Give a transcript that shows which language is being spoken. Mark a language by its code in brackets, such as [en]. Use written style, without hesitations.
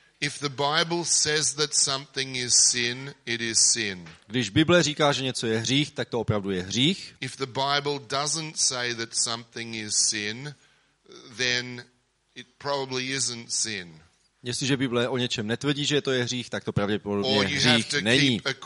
[en] If the Bible says that something is sin, it is sin. [cs] Když Bible říká, že něco je hřích, tak to opravdu je hřích. [en] If the Bible doesn't say that something is sin, then it probably isn't sin. [cs] Jestliže Bible o něčem netvrdí, že to je hřích, tak to pravděpodobně hřích není.